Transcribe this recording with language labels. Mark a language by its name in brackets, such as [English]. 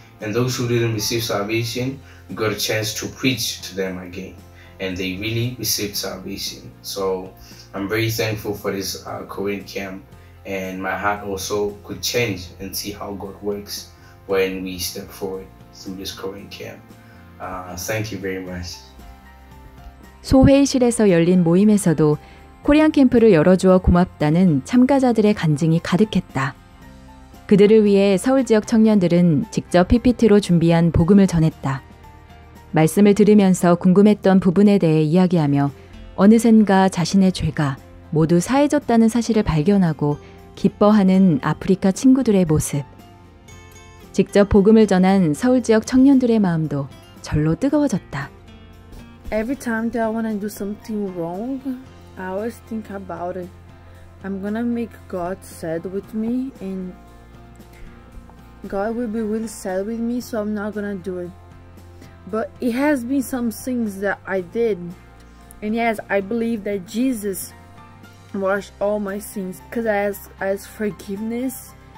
[English] And those who didn't receive salvation, we got a chance to preach to them again. And they really received salvation. So I'm very thankful for this Korean camp. And my heart also could change and see how God works when we step forward through this Korean camp. Thank you very much. [Korean] 소회의실에서 열린 모임에서도 코리안 캠프를 열어주어 고맙다는 참가자들의 간증이 가득했다. 그들을 위해 서울 지역 청년들은 직접 PPT로 준비한 복음을 전했다. 말씀을 들으면서 궁금했던 부분에 대해 이야기하며 어느샌가 자신의 죄가 모두 사해졌다는 사실을 발견하고 기뻐하는 아프리카 친구들의 모습. 직접 복음을 전한 서울 지역 청년들의 마음도 절로 뜨거워졌다. [English] Every time that I want to do something wrong, I always think about it. I'm gonna make God sad with me and God will be really sad with me, so I'm not gonna do it. But it has been some things that I did. And yes, I believe that Jesus washed all my sins because I asked forgiveness.